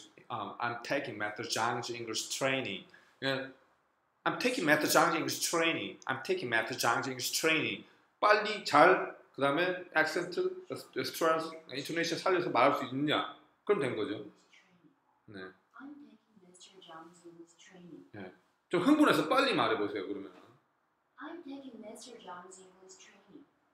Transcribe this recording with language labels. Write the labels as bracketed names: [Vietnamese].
[English] I'm taking Master Zhang's English training. I'm taking Master Zhang's English training. I'm taking Master Zhang's English training. [Korean] 빨리 잘 그 다음에 accent, stress, intonation 살려서 말할 수 있느냐 그럼 된 거죠. 네. [English] I'm taking Master Zhang's English training. [Korean] 네. 좀 흥분해서 빨리 말해 보세요 그러면. [English] I'm taking Master Zhang's English training.